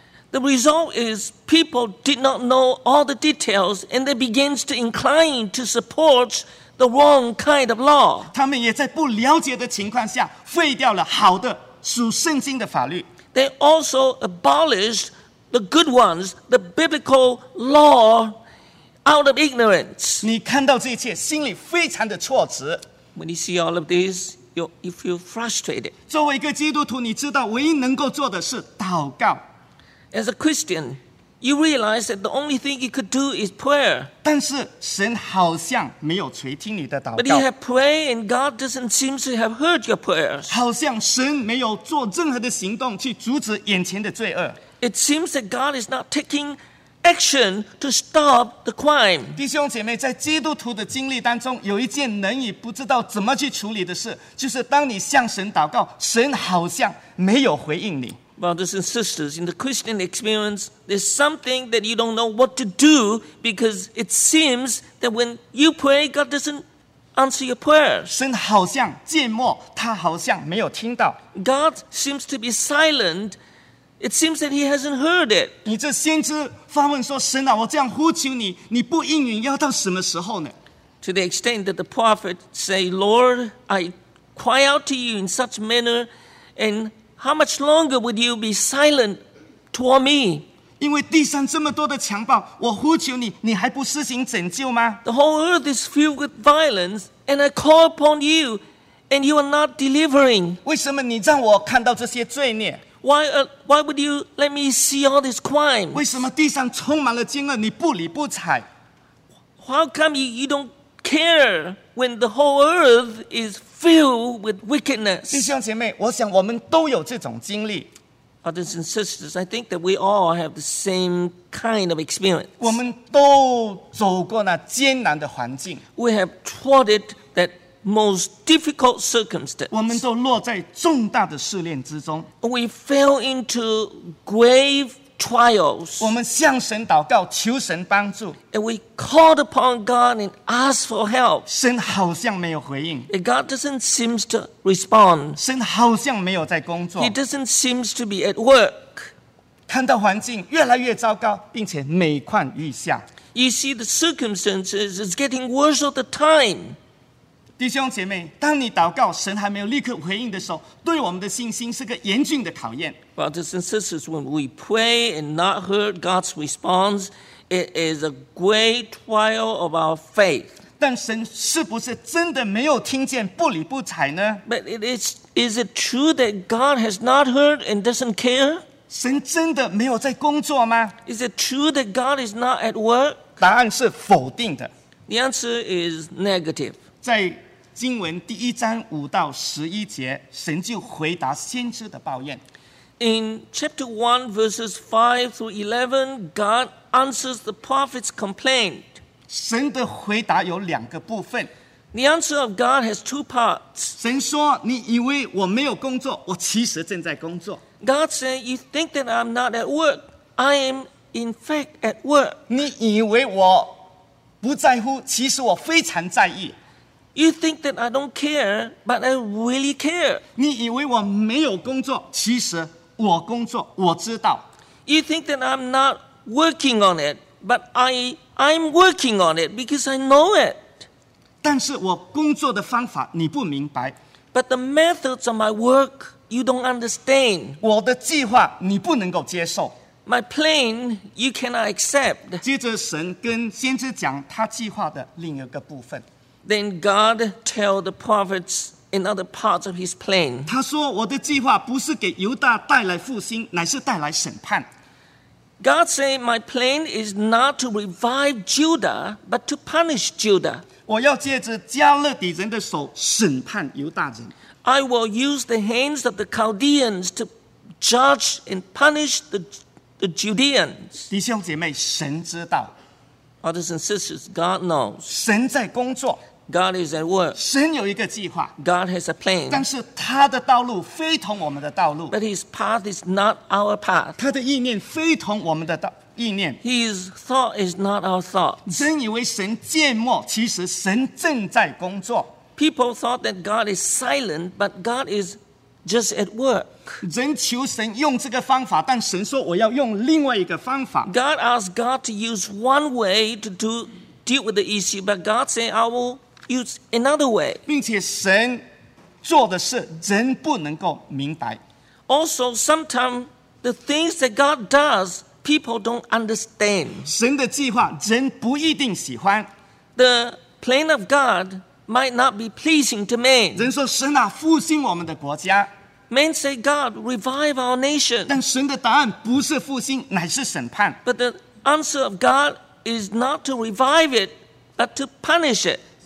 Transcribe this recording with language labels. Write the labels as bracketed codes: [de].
[en] The result is people did not know all the details and they began to incline to support the wrong kind of law. [zh] 他们也在不了解的情况下废掉了好的属圣经的法律。 [en] They also abolished the good ones, the biblical law, out of ignorance. [zh] 你看到这一切，心里非常的挫折。 [en] When you see all of this, you feel frustrated. [zh] 作为一个基督徒，你知道唯一能够做的是祷告。 [en] As a Christian, you realize that the only thing you could do is prayer. [zh] 但是神好像没有垂听你的祷告。 [en] But you have prayed and God doesn't seem to have heard your prayers. [zh] 好像神没有做任何的行动去阻止眼前的罪恶。 [en] It seems that God is not taking action to stop the crime. [zh] 弟兄姐妹，在基督徒的经历当中，有一件难以不知道怎么去处理的事，就是当你向神祷告，神好像没有回应你。 [en] Brothers and sisters, in the Christian experience, there's something that you don't know what to do because it seems that when you pray, God doesn't answer your prayers. [zh] 神好像缄默，他好像没有听到。 [en] God seems to be silent. It seems that he hasn't heard it. [zh] 你这先知发问说，神啊，我这样呼求你，你不应允，要到什么时候呢？ [en] To the extent that the prophet say, Lord, I cry out to you in such manner andHow much longer would you be silent toward me? [zh] 因为地上这么多的强暴，我呼求你，你还不施行拯救吗？ [en] The whole earth is filled with violence, and I call upon you, and you are not delivering. [zh] 为什么你让我看到这些罪孽？ [en] Why would you let me see all this crime? [zh] 为什么地上充满了奸恶，你不理不睬？ [en] How come you don't care when the whole earth is filled with wickedness? [zh] 弟兄姐妹，我想我们都有这种经历。 [en] Brothers and sisters, I think that we all have the same kind of experience. [zh] 我们都走过那艰难的环境。 [en] We have trodden that most difficult circumstance. [zh] 我们都落在重大的试炼之中。 [en] We fell into grave trials. [zh] 我们向神祷告，求神帮助。 [en] And we called upon God and asked for help. [zh] 神好像没有回应。 [en] And God doesn't seem to respond. [zh] 神好像没有在工作。 [en] He doesn't seem to be at work. [zh] 看到环境越来越糟糕，并且每况愈下。 [en] You see the circumstances is getting worse all the time. [zh] 弟兄姐妹，当你祷告，神还没有立刻回应的时候，对我们的信心是个严峻的考验。 [en] Brothers and sisters, when we pray and not heard God's response, it is a great trial of our faith. [zh] 但神是不是真的没有听见，不理不睬呢？ [en] But is it true that God has not heard and doesn't care? [zh] 神真的没有在工作吗？ [en] Is it true that God is not at work? [zh] 答案是否定的。 [en] The answer is negative. [zh] 在经文第一章五到十一节，神就回答先知的抱怨。 [en] In chapter 1, verses 5 through 11, God answers the prophet's complaint. [zh] 神的回答有两个部分。 [en] The answer of God has two parts. [zh] 神说，你以为我没有工作，我其实正在工作。 [en] God said, you think that I'm not at work. I am in fact at work. [zh] 你以为我不在乎，其实我非常在意。 [en] You think that I don't care, but I really care. [zh] 你以为我没有工作，其实我工作，我知道。 [en] You think that I'm not working on it, but I'm working on it because I know it. [zh] 但是我工作的方法你不明白。 [en] But the methods of my work, you don't understand. [zh] 我的计划你不能够接受。 [en] My plan, you cannot accept. [zh] 接着神跟先知讲他计划的另一个部分。 [en] Then God tell the prophets another part of his plan. [zh] 他说我的计划不是给犹大带来复兴，乃是带来审判。 [en] God say, my plan is not to revive Judah, but to punish Judah. [zh] 我要借着加勒底人的手审判犹大人。 [en] I will use the hands of the Chaldeans to judge and punish the Judeans. [zh] 弟兄姐妹，神知道。 [en] Brothers and sisters, God knows. [zh] 神在工作。 [en] God is at work. [zh] 神有一个计划。 [en] God has a plan. [zh] 但是他的道路非同我们的道路。 [en] But his path is not our path. [zh] 他的意念非同我们的道意念。 [en] His thought is not our thought. [zh] 真以为神缄默，其实神正在工作。 [en] People thought that God is silent, but God is just at work. [zh] 人求神用这个方法，但神说我要用另外一个方法。 [en] God asked God to use one way to do. Deal with the issue, but God said, "I will use another way." [zh] 并且神做的事，人不能够明白。 [en] Also, sometimes the things that God does, people don't understand. [zh] 神的计划，人不一定喜欢。 [en] The plan of God might not be pleasing to man. [zh] 人说神啊，复兴我们的国家。 [en] Men say, "God, revive our nation." [zh] 但神的答案不是复兴，乃是审判。 [en] But the answer of God. Is not to revive it, but to punish it.